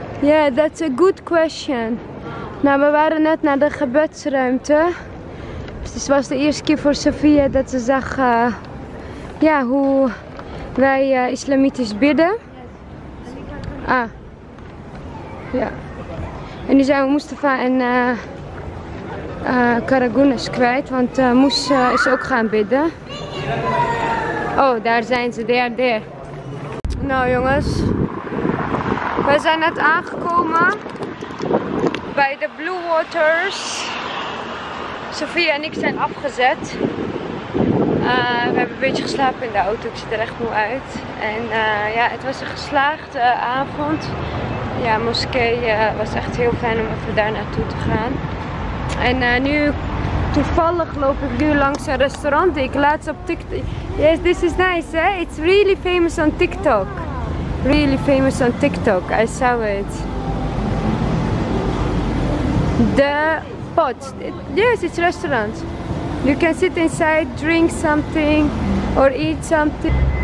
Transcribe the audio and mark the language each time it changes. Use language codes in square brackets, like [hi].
[en] Yeah, that's a good question. [nl] Nou, we waren net naar de gebedsruimte. Dus het was de eerste keer voor Sophia dat ze zag hoe wij islamitisch bidden. Ah. Ja. En nu zijn we Mustafa en Karagounis kwijt, want Moes is ook gaan bidden. Oh, daar zijn ze. [en] They are there. [nl] Nou jongens, we zijn net aangekomen bij de Blue Waters. Sophia en ik zijn afgezet. We hebben een beetje geslapen in de auto. Ik zit er echt moe uit. En het was een geslaagde avond. Ja, moskee was echt heel fijn om even daar naartoe te gaan. En nu toevallig loop ik nu langs een restaurant die ik laatst op TikTok. [en] Yes, this is nice, hè? It's really famous on TikTok. Really famous on TikTok. I saw it. The pot. Yes, it's a restaurant. You can sit inside, drink something or eat something.